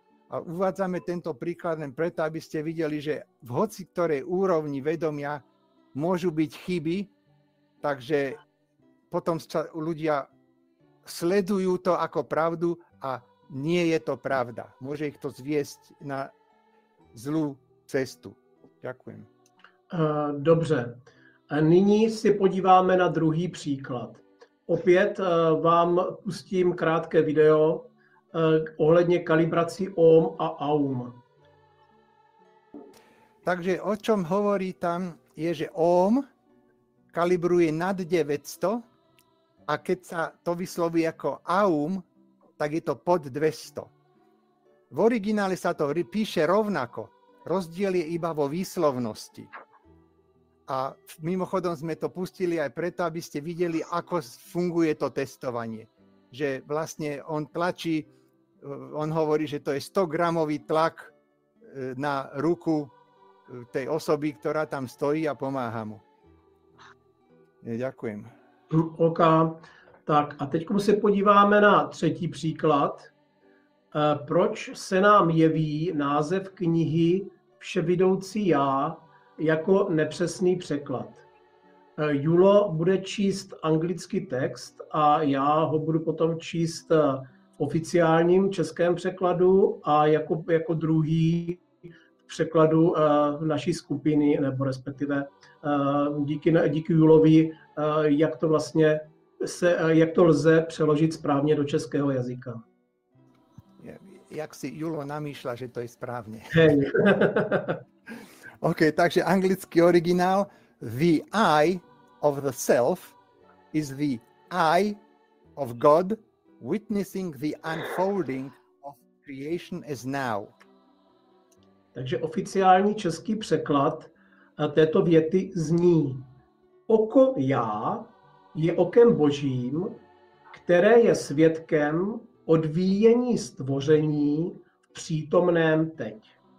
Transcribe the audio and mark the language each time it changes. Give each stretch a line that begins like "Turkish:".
Slovak: A uvádzame tento príklad len preto, aby ste videli, že v hoci ktorej úrovni vedomia môžu byť chyby, takže potom sa ľudia sledujú to ako pravdu a nie je to pravda. Môže ich to zviesť na zlú cestu. Ďakujem.
Czech: Dobře. A nyní si podíváme na druhý příklad. Opět vám pustím krátké video ohledně kalibrací OM a AUM.
Slovak: Takže o čom hovorí tam je, že OM kalibruje nad 900 a keď sa to vysloví ako AUM, tak je to pod 200. V originále sa to píše rovnako. Rozdiel je iba vo výslovnosti. A mimochodom sme to pustili aj preto, aby ste videli, ako funguje to testovanie. Že vlastne on tlačí, on hovorí, že to je 100-gramový tlak na ruku tej osoby, ktorá tam stojí a pomáha mu. Ďakujem. OK.
Czech: Tak a teď si podíváme na třetí příklad. Proč se nám jeví název knihy Vševidoucí já jako nepřesný překlad? Julo bude číst anglický text a já ho budu potom číst v oficiálním českém překladu a jako druhý překladu naší skupiny, nebo respektive díky Julovi, jak to vlastně se, jak to lze přeložit správně do českého jazyka. Jak si Julo namýšla, že to je správně.
English: Hey.
Czech: OK, takže anglický originál.
English: The I of the self is the I of God witnessing the unfolding of creation as now.
Czech: Takže oficiální český překlad této věty zní: Oko já je okem božím, které je svědkem odvíjení stvoření v přítomném teď.